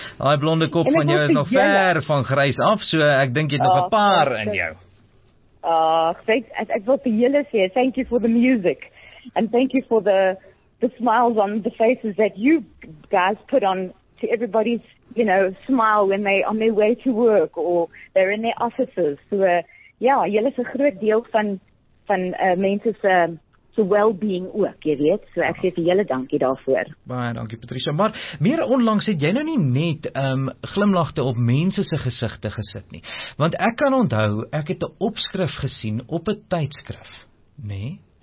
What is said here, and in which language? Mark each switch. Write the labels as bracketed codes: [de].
[af] Daai blonde kop van jou is nog ver van grys af, so ek dink jy het nog 'n paar in jou. Ek wil vir julle sê, [en] thank you for the music. And thank you for the smiles on the faces that you guys put on to everybody's, you know, smile when they on their way to work or they're in their offices. [af] So julle is 'n groot deel van mense se so well-being ook, jy weet. So ek sê vir julle dankie daarvoor. Baie dankie Patricia. Maar meer onlangs het jy nou nie net glimlagte op mense se gesigte gesit nie. Want ek kan onthou, ek het 'n opskrif gesien op 'n tydskrif, né? Nee?